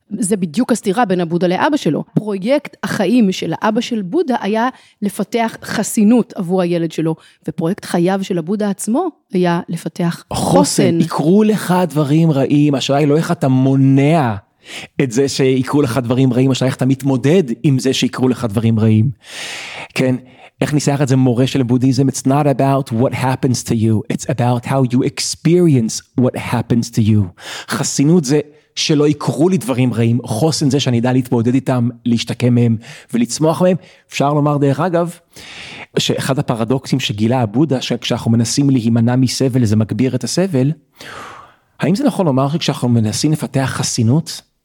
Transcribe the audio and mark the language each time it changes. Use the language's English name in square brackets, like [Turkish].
[Hebrew] זה בדיוק הסתירה בין הבודה לאבא שלו. פרויקט החיים של האבא של בודה היה לפתח חסינות עבור הילד שלו, ופרויקט חייו של הבודה עצמו היה לפתח חוסן. יקרו לך דברים רעים, השאלה היא לא איך אתה מונע את זה שיקרו לך דברים רעים, או שאיך אתה מתמודד עם זה שיקרו לך דברים רעים. כן, איך ניסח את זה מורה של בודיזם? [English] It's not about what happens to you, it's about how you experience what happens to you. [Hebrew] חסינות זה שלא יקרו לי דברים רעים, חוסן זה שאני יודע להתמודד איתם, להשתקם מהם ולצמוח מהם. אפשר לומר דרך אגב, שאחד הפרדוקסים שגילה הבודה, שכשאנחנו מנסים להימנע מסבל, זה מגביר את הסבל, האם זה נכון לומר שכשאנחנו מנסים לפתח חסינות?